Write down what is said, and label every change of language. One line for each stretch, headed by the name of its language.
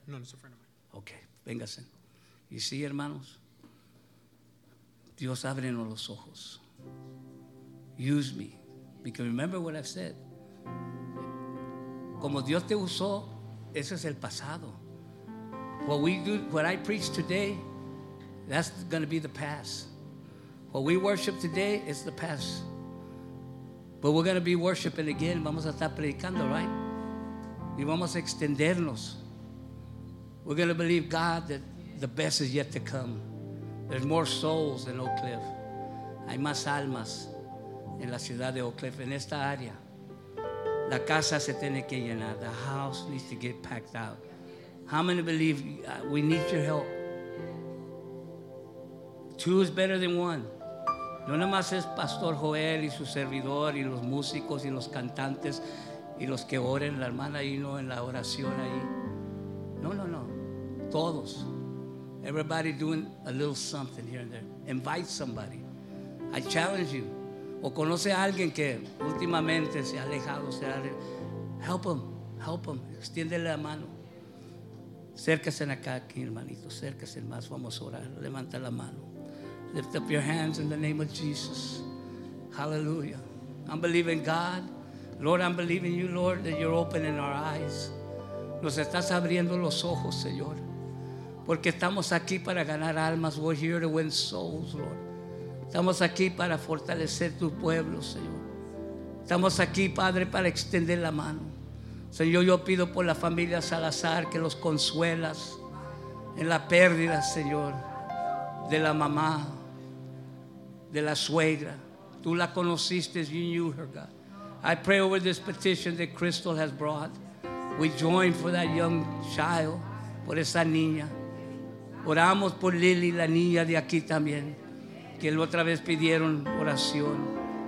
English: No, it's a friend of mine.
Spanish: Okay, véngase. Y sí, hermanos. Dios, ábrenos los ojos.
English: Use me. Because remember what I've said.
Spanish: Como Dios te usó, ese es el pasado.
English: What we do, what I preach today, that's going to be the past. What we worship today is the past. But we're going to be worshiping again.
Spanish: Vamos a estar predicando, right? Y vamos a extendernos.
English: We're going to believe God that the best is yet to come. There's more souls in Oak Cliff.
Spanish: Hay más almas en la ciudad de Oak Cliff, en esta área. La casa se tiene que llenar.
English: The house needs to get packed out. How many believe we need your help? Two is better than one.
Spanish: No nada más es Pastor Joel y su servidor y los músicos y los cantantes y los que oren, la hermana ahí, no, en la oración ahí. No. Todos.
English: Everybody doing a little something here and there. Invite somebody. I challenge you.
Spanish: O conoce a alguien que últimamente se ha alejado.
English: Help him. Help him.
Spanish: Extiéndele la mano. Cércase acá aquí, hermanito. Cércase más. Vamos a orar. Levanta la mano.
English: Lift up your hands in the name of Jesus. Hallelujah. I'm believing God. Lord, I'm believing you, Lord, that you're opening our eyes.
Spanish: Nos estás abriendo los ojos, Señor. Porque estamos aquí para ganar almas.
English: We're here to win souls, Lord.
Spanish: Estamos aquí para fortalecer tu pueblo, Señor. Estamos aquí, Padre, para extender la mano. Señor, yo pido por la familia Salazar que los consuelas en la pérdida, Señor, de la mamá, de la suegra. Tú la conociste,
English: you knew her, God. I pray over this petition that Crystal has brought. We join for that young child,
Spanish: por esa niña. Oramos por Lily, la niña de aquí también, que la otra vez pidieron oración.